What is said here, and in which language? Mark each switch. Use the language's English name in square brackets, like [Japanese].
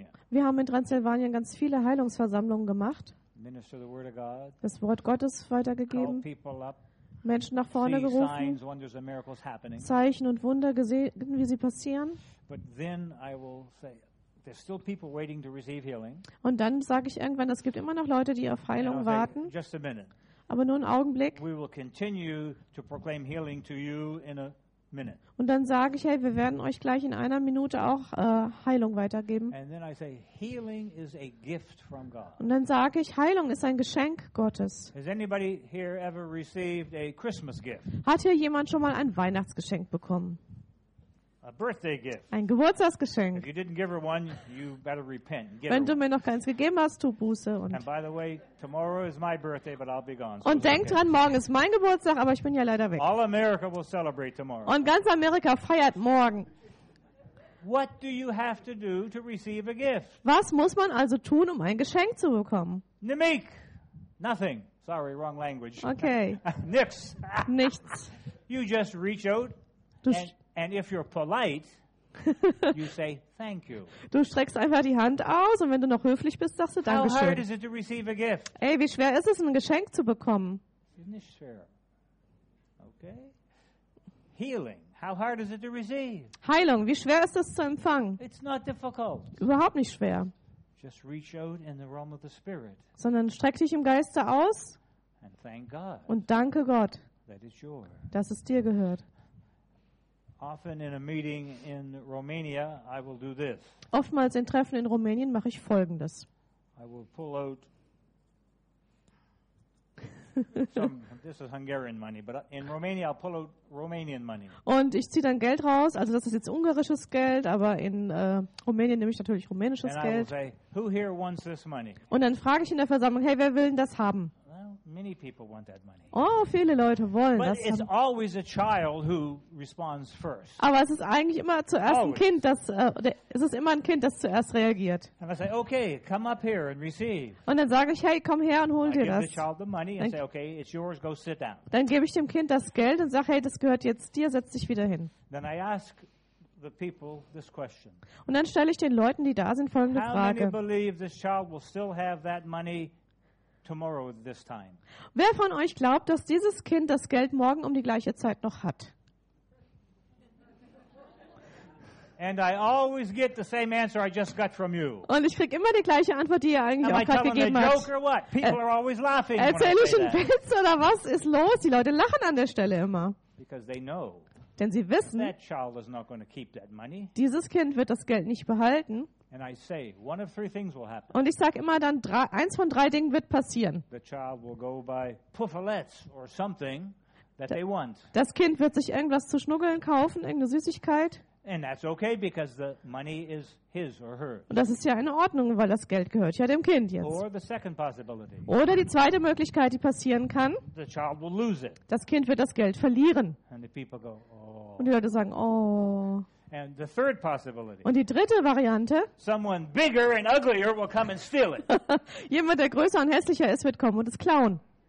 [German] Wir haben in Transsilvanien ganz viele Heilungsversammlungen gemacht. Das Wort Gottes weitergegeben. Menschen nach vorne gerufen. [English] Signs, wonders, [German] Zeichen und Wunder gesehen, wie sie passieren. Aber dann werde ich sagen, [English] there's still people waiting to receive healing. [German] Und dann sage ich irgendwann, es gibt immer noch Leute, die auf Heilung warten. [English] Just a minute. [German] Aber nur einen Augenblick. [English] We will continue to proclaim healing to you in a minute. [German] Und dann sage ich, hey, wir werden euch gleich in einer Minute auch Heilung weitergeben. [English] And then I say, healing is a gift from God. [German] Und dann sage ich, Heilung ist ein Geschenk Gottes. [English] Has anybody here ever received a Christmas gift? [German] Hat hier jemand schon mal ein Weihnachtsgeschenk bekommen? [English] A birthday gift. [German] Ein Geburtstagsgeschenk. [English] If you didn't give her one, you better repent. [German] Wenn du mir noch keins gegeben hast, tu Buße. [English] And by the way, tomorrow is my birthday, but I'll be gone. [German] Und denk dran, morgen ist mein Geburtstag, aber ich bin ja leider weg. [English] All America will celebrate tomorrow. [German] Und ganz Amerika feiert morgen. [English] What do you have to do to receive a gift? [German] Was muss man also tun, um ein Geschenk zu bekommen? [Hungarian] Nimik. [English] Nothing. Sorry, wrong language. Okay. [German] Nix. Nichts. [English] You just reach out. And if you're polite, you say thank you. [German] Du streckst einfach die Hand aus und wenn du noch höflich bist, sagst du Dankeschön. [English] How hard is it to receive a gift? [German] Ey, wie schwer ist es, ein Geschenk zu bekommen? Nicht schwer. Okay. Healing. [English] How hard is it to receive? [German] Heilung. Wie schwer ist es zu empfangen? [English] It's not difficult. [German] Überhaupt nicht schwer. [English] Just reach out in the realm of the spirit. [German] Sondern streck dich im Geiste aus. [English] And thank God. [German] Und danke Gott. [English] That is yours. [German] Dass es dir gehört. [English] Often in a meeting in Romania, I will do this. [German] Oftmals in Treffen in Rumänien mache ich Folgendes. [English] I will pull out some, this is Hungarian money, but in Romania I'll pull out Romanian money. [German] Und ich ziehe dann Geld raus, also das ist jetzt ungarisches Geld, aber in Rumänien nehme ich natürlich rumänisches Geld. [English] And I will say, who here wants this money? [German] Und dann frage ich in der Versammlung, hey, wer will denn das haben? [English] Many people want that money. [German] Oh, viele Leute wollen [English] But [German] das. [English] But it's always a child who responds first. [German] Aber es ist eigentlich immer zuerst always. Ein Kind, das es ist immer ein Kind, das zuerst reagiert. [English] And I say, okay, come up here and receive. [German] Und dann sage ich, hey, komm her und hol [English] I [German] dir das. [English] The child the money and say, okay, it's yours, go sit down. [German] Dann gebe ich dem Kind das Geld und sage, hey, das gehört jetzt dir, setz dich wieder hin. [English] Then I ask the people this question. [German] Und dann stelle ich den Leuten, die da sind, folgende [English] How [German] Frage. [English] How many believe this child will still have that money? Tomorrow this time. [German] Wer von euch glaubt, dass dieses Kind das Geld morgen um die gleiche Zeit noch hat? [English] And I always get the same answer I just got from you. [German] Und ich kriege immer die gleiche Antwort, die ihr eigentlich auch gerade gegeben habt. [English] Am I telling a joke or what? People are always laughing. [German] Erzähl ich einen Witz [English] that. [German] Oder was ist los? Die Leute lachen an der Stelle immer. [English] Because they know. [German] Denn sie wissen. [English] That child is not going to keep that money. [German] Dieses Kind wird das Geld nicht behalten. [English] And I say, one of three things will happen. [German] Und ich sage immer dann, eins von drei Dingen wird passieren. [English] The child will go buy puffalettes or something that they want. [German] Das Kind wird sich irgendwas zu schnuggeln kaufen, irgendeine Süßigkeit. [English] And that's okay because the money is his or her. [German] Und das ist ja in Ordnung, weil das Geld gehört ja dem Kind jetzt. [English] Or the second possibility. [German] Oder die zweite Möglichkeit, die passieren kann. [English] The child will lose it. [German] Das Kind wird das Geld verlieren. [English] And the people go, oh. [German] Und die Leute sagen, oh. [English] And the third possibility. [German] Und die dritte Variante. [English] Someone bigger and uglier will come and steal it. [German] Jemand, der größer und hässlicher ist, wird kommen und es klauen.